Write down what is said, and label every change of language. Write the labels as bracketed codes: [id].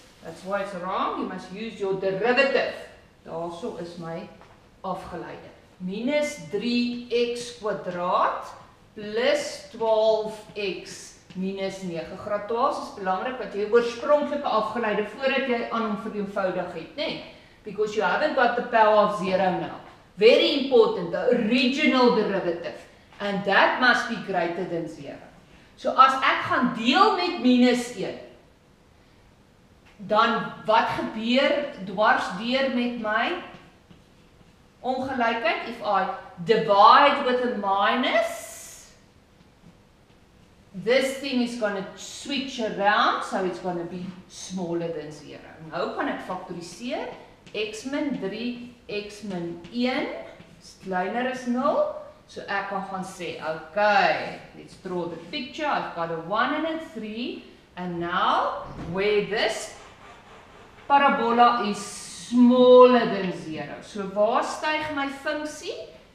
[en] That's why it's wrong. You must use your derivative. [af] Daarso is my afgeleide. Minus 3x kwadraat plus 12x minus 9. Graad 12 is belangrik wat jy oorspronklike afgeleide voordat jy aan hom vereenvoudig het, nê? [en] Because you haven't got the power of 0 now. Very important, the original derivative. And that must be greater than 0. [af] So as ek gaan deel met minus 1, dan wat gebeur dwars deur met my ongelykheid? [en] If I divide with a minus, this thing is going to switch around, so it's going to be smaller than 0. [af] Nou kan ek faktoriseer, x min 3, x min 1 is kleiner as 0, so ek kan gaan sê, okay, [en] let's draw the picture, I've got a 1 and a 3, and now, where this parabola is smaller than 0, [af] so waar styg my funksie?